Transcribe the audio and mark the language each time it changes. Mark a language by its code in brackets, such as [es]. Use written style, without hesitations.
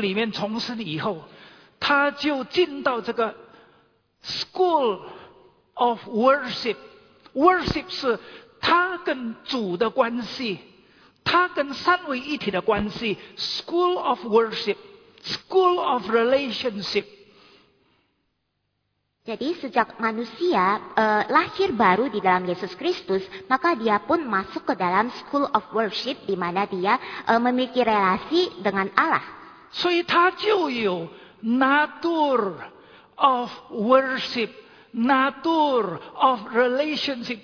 [zh] 一生在耶稣基督里面重生以后，他就进到这个 [en] school of worship. [zh] Worship 是他跟主的关系，他跟三位一体的关系。 [en] School of worship, school of relationship. [id] Jadi sejak manusia lahir baru di dalam Yesus Kristus, maka dia pun masuk ke dalam [en] school of worship [id] di mana dia memiliki relasi dengan Allah. Jadi dia punya [en] natur of worship, natur of relationship.